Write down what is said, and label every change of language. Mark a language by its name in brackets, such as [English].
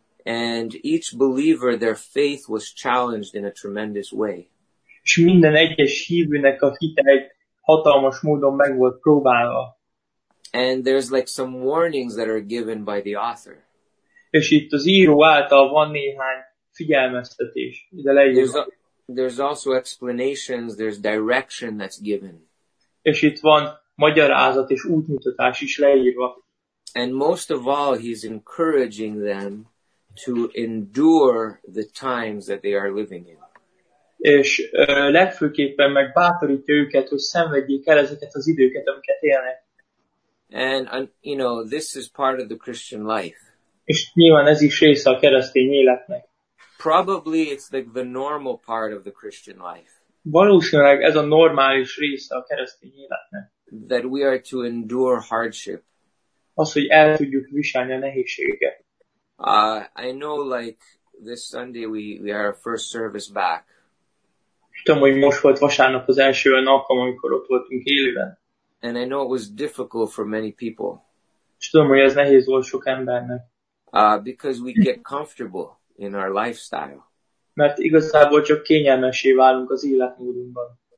[English] And each believer, their faith was challenged in a tremendous way. [Hungarian] És minden egyes hívőnek a hite egy hatalmas módon meg volt próbálva. [English] And there's like some warnings that are given by the author. [Hungarian] És itt az író által van néhány figyelmeztetés. [English] There's also explanations, there's direction that's given. [Hungarian] És itt van magyarázat és útmutatás is leírva. [English] And most of all, he's encouraging them to endure the times that they are living in. [Hungarian] És legfőképpen meg bátorítja őket, hogy szenvedjék el ezeket az időket, amiket élnek. [English] And you know, this is part of the Christian life. [Hungarian] És nyilván ez is része a keresztény életnek. [English] Probably it's like the normal part of the Christian life. [Hungarian] Valószínűleg ez a normális része a keresztény életnek. [English] That we are to endure hardship. [Hungarian] Az, hogy el tudjuk viselni a nehézségeket. [English] I know like this Sunday we are our first service back. [Hungarian] Tudom, hogy most volt vasárnap az első olyan alkalom, amikor ott voltunk élőben. [English] And I know it was difficult for many people. [Hungarian] Tudom, hogy ez nehéz volt sok embernek. [English] Because we get comfortable. In our lifestyle. [Hungarian] Mert igazából csak kényelmessé válunk az életmódunkban.